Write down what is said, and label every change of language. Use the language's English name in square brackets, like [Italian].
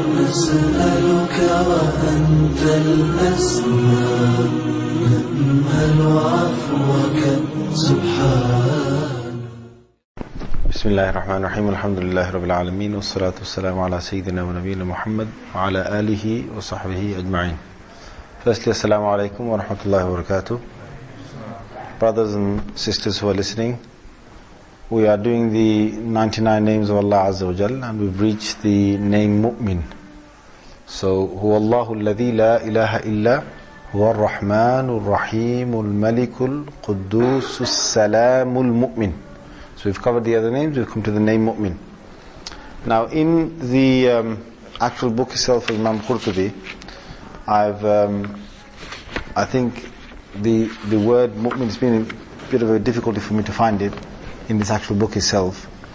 [Arabic] نسألك وأنت الأسمى نأمل عفوك سبحان. بسم الله الرحمن الرحيم، الحمد لله رب العالمين، والصلاة والسلام على سيدنا ونبينا محمد وعلى آله وصحبه أجمعين. [English] Firstly, [Arabic] assalamu alaikum wa rahmatullahi wa barakatuh. [English] Brothers and sisters who are listening, we are doing the 99 names of Allah Azza wa Jal, and we've reached the name Mu'min. So, [Arabic] هو الله الذي لا إله إلا هو الرحمن الرحيم الملك القدوس السلام المؤمن. [English] So we've covered the other names, we've come to the name Mu'min. Now, in the actual book itself of Imam Qurtubi, I think the word mu'min has been a bit of a difficulty for me to find it in this actual book itself.